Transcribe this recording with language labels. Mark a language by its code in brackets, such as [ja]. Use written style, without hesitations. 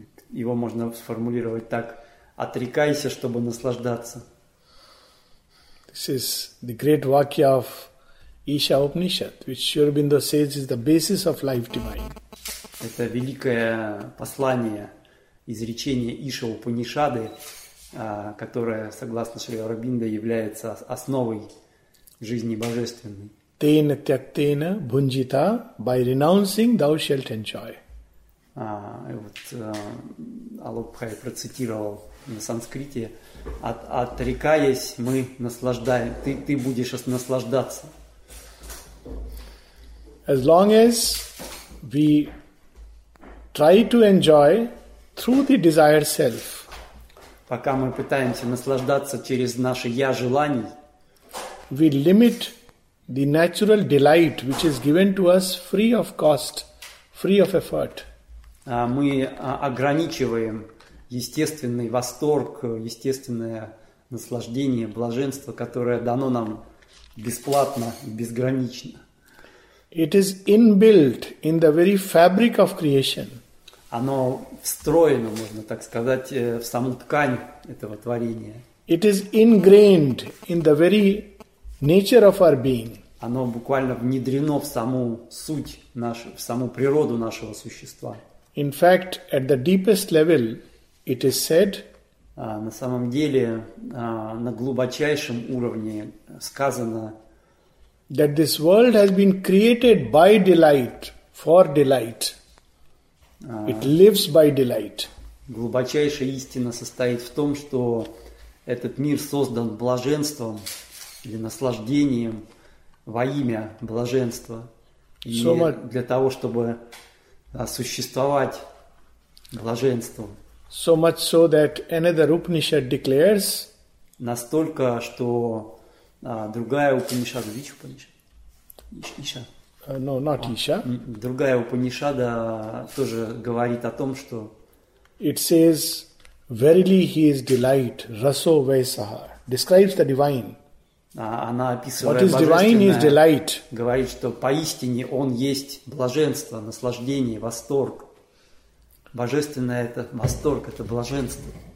[ru] Его можно сформулировать так: отрекайся, чтобы наслаждаться. [en] This is the great vakya of Isha Upanishad, which Sri Aurobindo says is the basis of life divine. [ru] Это великое послание, изречение Иша Упанишады, которое, согласно Шри Аурабинда, является основой жизни божественной. [sa] Тейна тяктейна бунджита, [en] by renouncing thou shalt enjoy. [ru] Алабхай процитировал на санскрите: отрекаясь, мы наслаждаем, ты будешь наслаждаться. [en] As long as we try to enjoy through the desire self. [ru] Пока мы пытаемся наслаждаться через наше я желаний, [en] we limit the natural delight which is given to us free of cost, free of effort. [ru] Мы ограничиваем естественный восторг, естественное наслаждение, блаженство, которое дано нам бесплатно и безгранично. [en] It is inbuilt in the very fabric of creation. [ru] Оно встроено, можно так сказать, в саму ткань этого творения. [en] It is ingrained in the very nature of our being. [ru] Оно буквально внедрено в саму суть нашу, в саму природу нашего существа. [en] In fact, at the deepest level, it is said. [ru] На самом деле, на глубочайшем уровне сказано. [en] That this world has been created by delight, for delight. It lives by delight. [ru] Глубочайшая истина состоит в том, что этот мир создан блаженством или наслаждением во имя блаженства. И [en] so much, [ru] для того, чтобы существовать блаженством. [en] So much so that another Upanishad declares. [ru] Настолько, что другая Упанишада, [en] which [ru] Упанишада? Иша. [en] No, not Isha. [ru] Другая Упанишада тоже говорит о том, что [en] it says, verily he is delight, [sa] raso vaisaha, [en] describes the divine. [ru] Она описывает [en] what is divine is delight. [ru] Говорит, что поистине он есть блаженство, наслаждение, восторг. Божественное это восторг, это блаженство.